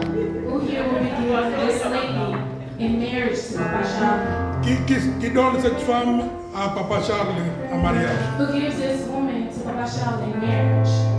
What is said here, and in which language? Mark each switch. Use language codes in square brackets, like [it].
[en] Who here will be doing this lady in marriage to Papa Cha? [fr] Qui donne cette femme à Papa Cha en mariage? [en] Who gives this woman to Papa Cha in marriage?